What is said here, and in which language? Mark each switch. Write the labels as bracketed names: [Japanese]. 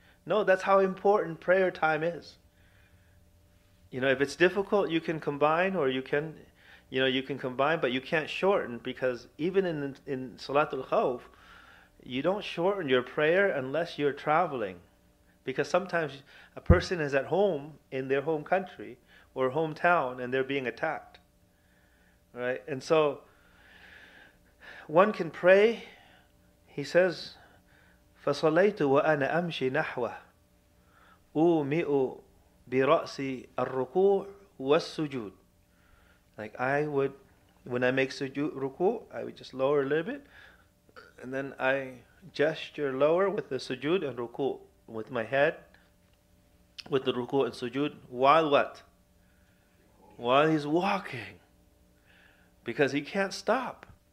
[English] No, that's how important prayer time is. You know, if it's difficult, you can combine, or you can combine, but you can't shorten, because even in Salatul Khawf, you don't shorten your prayer unless you're traveling. Because sometimes a person is at home in their home country or hometown and they're being attacked. Right? And so one can pray, he says, [Arabic] فَصَلَيْتُ وَأَنَا أَمْشِي نَحْوَهُ أُوْمِئُ بِرَأْسِ الرُّكُوعِ وَالسُّجُودِ. [English] Like I would, when I make sujood, ruku', I would just lower a little bit, and then I gesture lower with the sujood and ruku', with my head, with the ruku' and sujood, while what? While he's walking. Because he can't stop.